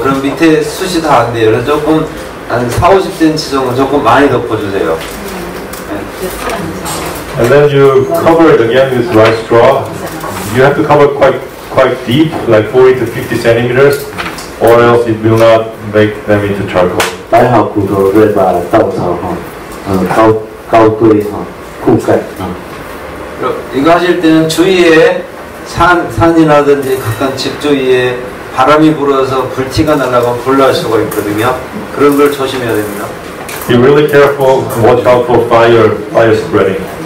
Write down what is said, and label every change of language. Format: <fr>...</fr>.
<ko>그럼 밑에 숱이 다 안 돼요. 그래서 조금 한 4-50cm 정도 조금 많이 덮어주세요.</ko> <en>And then you cover it again with rice straw. You have to cover quite deep, like 40-50cm, or else it will not make them into charcoal.</en> <ko>이거 하실 때는 주위에 산이라든지 각각 집 주위에 바람이 불어서 불티가 날라가 불날 수가 있거든요. 그런 걸 조심해야 됩니다.</ko> <en>Be really careful, watch out for fire spreading.</en>